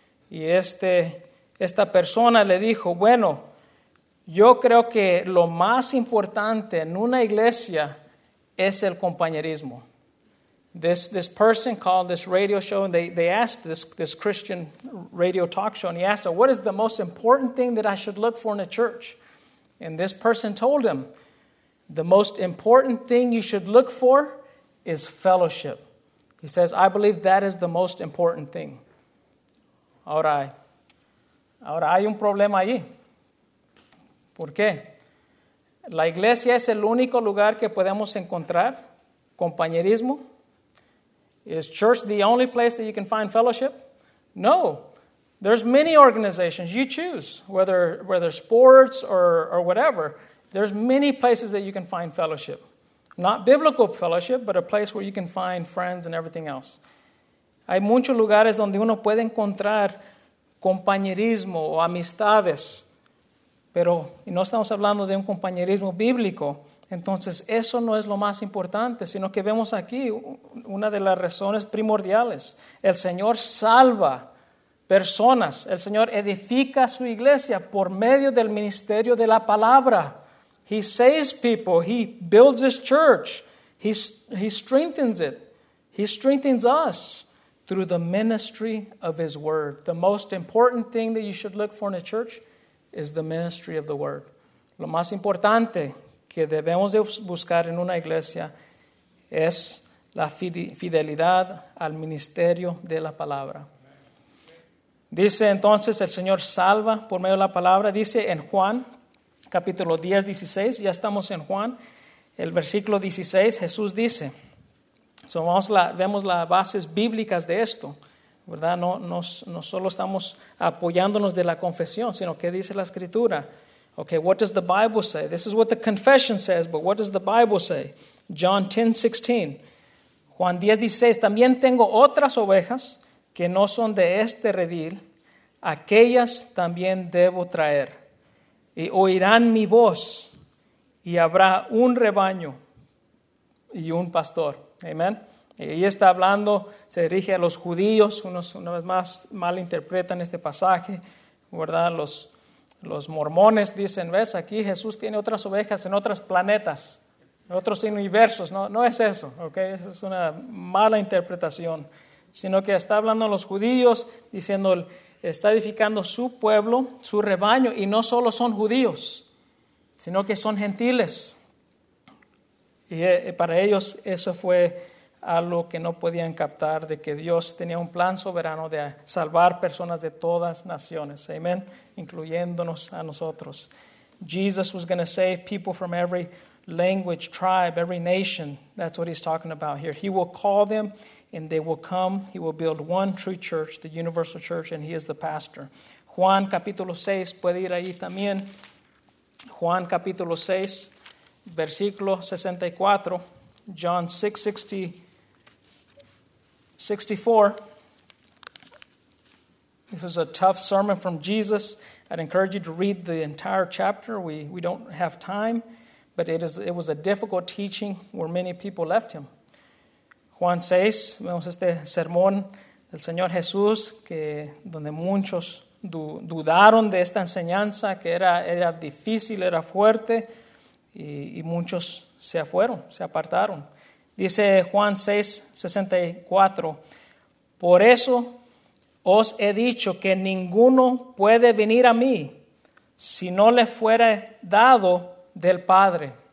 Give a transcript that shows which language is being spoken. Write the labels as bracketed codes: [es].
[es] Y esta persona le dijo, bueno, yo creo que lo más importante en una iglesia es el compañerismo. [en] This person called this radio show, and they asked this Christian radio talk show, and he asked, what is the most important thing that I should look for in a church? And this person told him, the most important thing you should look for is fellowship. He says, I believe that is the most important thing. [es] Ahora hay un problema ahí. ¿Por qué? ¿La iglesia es el único lugar que podemos encontrar compañerismo? [en] ¿Is church the only place that you can find fellowship? No. There's many organizations you choose, whether sports or whatever. There's many places that you can find fellowship. Not biblical fellowship, but a place where you can find friends and everything else. [es] Hay muchos lugares donde uno puede encontrar compañerismo o amistades. Pero y no estamos hablando de un compañerismo bíblico. Entonces, eso no es lo más importante, sino que vemos aquí una de las razones primordiales. El Señor salva personas. El Señor edifica su iglesia por medio del ministerio de la palabra. He saves people. He builds his church. He strengthens it. He strengthens us through the ministry of his word. The most important thing that you should look for in a church is the ministry of the word. Lo más importante que debemos de buscar en una iglesia es la fidelidad al ministerio de la palabra. Dice entonces, el Señor salva por medio de la palabra. Dice en Juan, capítulo 10, 16, ya estamos en Juan, el versículo 16, Jesús dice, vemos las bases bíblicas de esto, ¿verdad? No solo estamos apoyándonos de la confesión, sino que dice la Escritura. Okay, what does the Bible say? This is what the confession says, but what does the Bible say? John 10, 16. Juan 10, 16, también tengo otras ovejas que no son de este redil, aquellas también debo traer. Y oirán mi voz, y habrá un rebaño y un pastor. Amén. Y ahí está hablando, se dirige a los judíos, una vez más malinterpretan este pasaje, ¿verdad? Los mormones dicen, ves, aquí Jesús tiene otras ovejas en otros planetas, en otros universos. No es eso, ¿ok? Esa es una mala interpretación. Sino que está hablando a los judíos, diciendo, está edificando su pueblo, su rebaño, y no solo son judíos, sino que son gentiles. Y para ellos eso fue algo que no podían captar, de que Dios tenía un plan soberano de salvar personas de todas naciones. Amén. Incluyéndonos a nosotros. [en] Jesus was going to save people from every language, tribe, every nation. That's what he's talking about here. He will call them and they will come. He will build one true church, the universal church, and he is the pastor. [es] Juan capítulo 6, puede ir ahí también. Juan capítulo 6, versículo 64. [en] John 6, 64. This is a tough sermon from Jesus. I'd encourage you to read the entire chapter. We don't have time, but it was a difficult teaching where many people left him. [es] Juan 6, vemos este sermón del Señor Jesús, que donde muchos dudaron de esta enseñanza, que era difícil, era fuerte, y muchos se apartaron. Dice Juan 6, 64, por eso os he dicho que ninguno puede venir a mí si no le fuere dado del Padre.